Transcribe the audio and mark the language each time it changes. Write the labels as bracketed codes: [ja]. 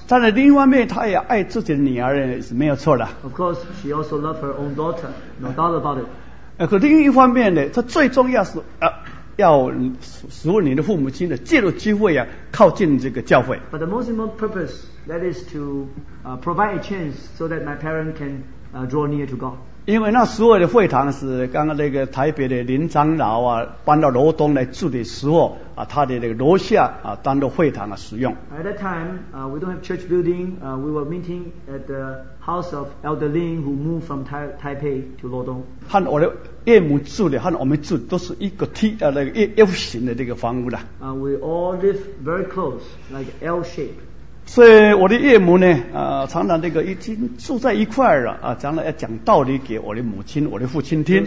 [zh] 但是另外一面，她也爱自己的女儿，是没有错的。 [en] Of course, she also loved her own daughter, no doubt about it. [zh] 可另一方面呢，她最重要是要使你的父母亲呢借着机会啊靠近这个教会。 [en] But the most important purpose that is to provide a chance so that my parents can draw near to God. [zh] 因为那所有的会堂是刚刚那个台北的林长老啊搬到罗东来住的时候。他的那个楼下啊，当做会堂啊使用。 [en] At that time, we don't have church building. We were meeting at the house of Elder Lin, who moved from Taipei to Luodong. [zh] 和我的岳母住的，和我们住都是一个 T 那个 L 型的这个房屋的。 [en] We all live very close, like L shape. [zh] 所以我的岳母呢，常常这个已经住在一块了啊，常常要讲道理给我的母亲、我的父亲听。